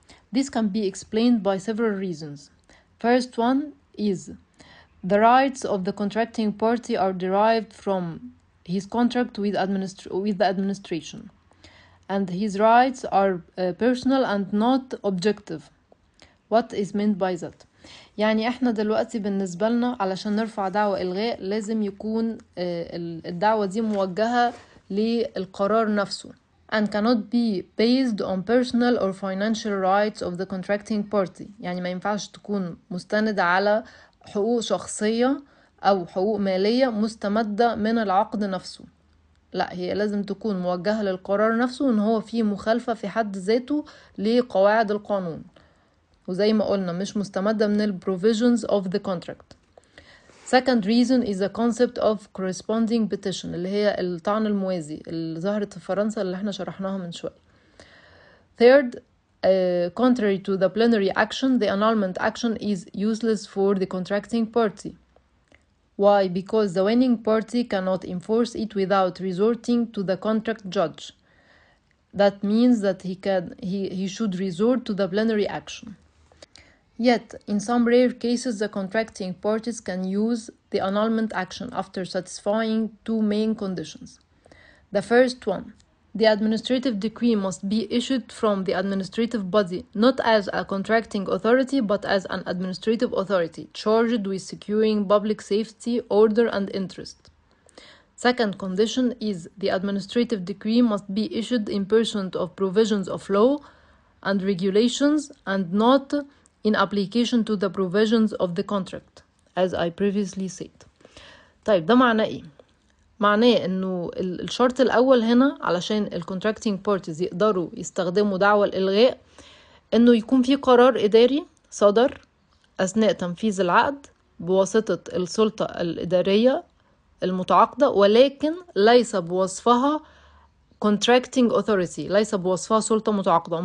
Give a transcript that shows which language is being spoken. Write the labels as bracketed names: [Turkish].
[English] This can be explained by several reasons. First one is the rights of the contracting party are derived from his contract with the administration. And his rights are personal and not objective. What is meant by that? [Arabic] يعني احنا دلوقتي بالنسبة لنا علشان نرفع دعوة إلغاء لازم يكون الدعوة دي موجهة للقرار نفسه [English] and cannot be based on personal or financial rights of the contracting party. [Arabic] يعني ما ينفعش تكون مستندة على حقوق شخصية أو حقوق مالية مستمدة من العقد نفسه. لا، هي لازم تكون موجهة للقرار نفسه إن هو فيه مخالفة في حد ذاته لقواعد القانون، وزي ما قلنا مش مستمدة من الـ provisions of the contract. [English] Second reason is the concept of corresponding petition، [Arabic] اللي هي الطعن الموازي اللي ظهرت في فرنسا اللي احنا شرحناها من شوية. [English] Third، contrary to the plenary action، the annulment action is useless for the contracting party. Why? Because the winning party cannot enforce it without resorting to the contract judge. That means that he should resort to the plenary action. Yet, in some rare cases, the contracting parties can use the annulment action after satisfying two main conditions. The first one, the administrative decree must be issued from the administrative body, not as a contracting authority, but as an administrative authority charged with securing public safety, order, and interest. Second condition is the administrative decree must be issued in person of provisions of law and regulations and not in application to the provisions of the contract, as I previously said. [Arabic] طيب ده معناه ايه؟ معناه انه الشرط الاول هنا علشان الـ contracting parties يقدروا يستخدموا دعوة الإلغاء انه يكون في قرار إداري صدر أثناء تنفيذ العقد بواسطة السلطة الإدارية المتعاقدة، ولكن ليس بوصفها contracting authority، ليس بوصفها سلطة متعاقدة.